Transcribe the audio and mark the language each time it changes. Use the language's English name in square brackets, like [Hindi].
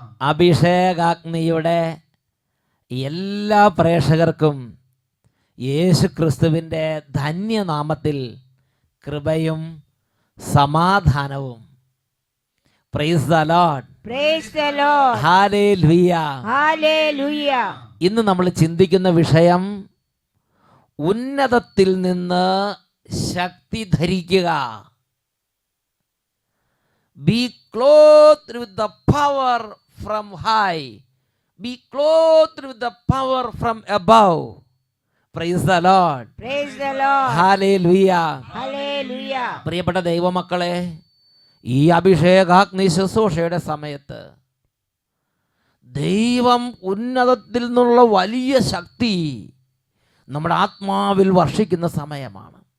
[Malayalam] അഭിഷേകാഗ്നിയുടെ എല്ലാ പ്രേക്ഷകർക്കും യേശുക്രിസ്തുവിൻ്റെ ധന്യനാമത്തിൽ കൃപയും സമാധാനവും. [English] Praise the Lord. Praise the Lord. [Malayalam] Hallelujah hallelujah. ഇന്ന് നമ്മൾ ചിന്തിക്കുന്ന വിഷയം ഉന്നതത്തിൽ നിന്ന് ശക്തി ധരിക്കുക. [English] Be clothed with the power from high. Be clothed with the power from above. Praise the Lord. Praise the Lord. Hallelujah. Hallelujah. [Malayalam] പ്രിയപ്പെട്ട ദൈവമക്കളെ, ഈ അഭിഷേകാഗ്നി ശുശ്രൂഷയുടെ സമയത്ത് ദൈവം ഉന്നതത്തിൽ നിന്നുള്ള വലിയ ശക്തി നമ്മുടെ ആത്മാവിൽ വർഷിക്കുന്ന സമയമാണ്.